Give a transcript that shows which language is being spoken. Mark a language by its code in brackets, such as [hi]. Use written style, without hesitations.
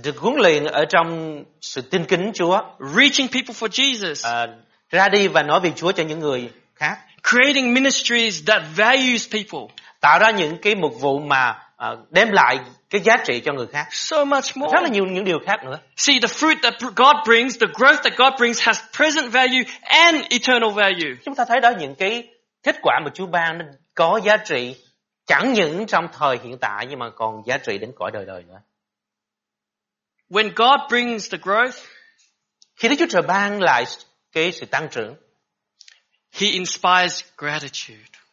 [vi] được huấn luyện ở trong sự tin kính Chúa. [en] Reaching people for Jesus, [vi] ra đi và nói về Chúa cho những người khác. [en] Creating ministries that values people, [vi] tạo ra những cái mục vụ mà đem lại cái giá trị cho người khác. [en] So much more, [vi] rất là nhiều những điều khác nữa. [en] See, the fruit that God brings, the growth that God brings has present value and eternal value. [vi] Chúng ta thấy đó, những cái kết quả mà Chúa ban nên có giá trị chẳng những trong thời hiện tại nhưng mà còn giá trị đến cõi đời đời nữa. [en] When God brings the growth, [vi] Khi Đức Chúa Trời ban lại cái sự tăng trưởng, [en] He inspires gratitude.